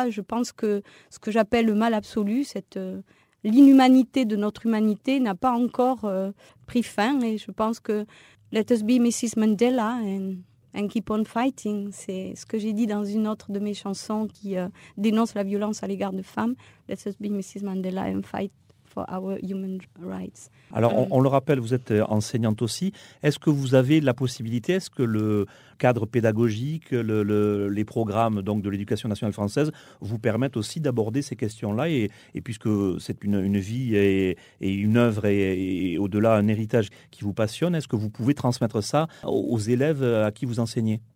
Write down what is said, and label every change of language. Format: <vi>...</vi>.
<fr>Je pense que ce que j'appelle le mal absolu, cette l'inhumanité de notre humanité n'a pas encore pris fin, et je pense que</fr> <en>let us be Mrs. Mandela and keep on fighting,</en> <fr>c'est ce que j'ai dit dans une autre de mes chansons qui dénonce la violence à l'égard de femmes.</fr> <en>Let us be Mrs. Mandela and fight for our human rights.</en> <fr>Alors, on le rappelle, vous êtes enseignante aussi. Est-ce que vous avez la possibilité, est-ce que le cadre pédagogique, les programmes donc, de l'éducation nationale française vous permettent aussi d'aborder ces questions-là, et puisque c'est une vie et une œuvre et au-delà un héritage qui vous passionne, est-ce que vous pouvez transmettre ça aux élèves à qui vous enseignez?</fr>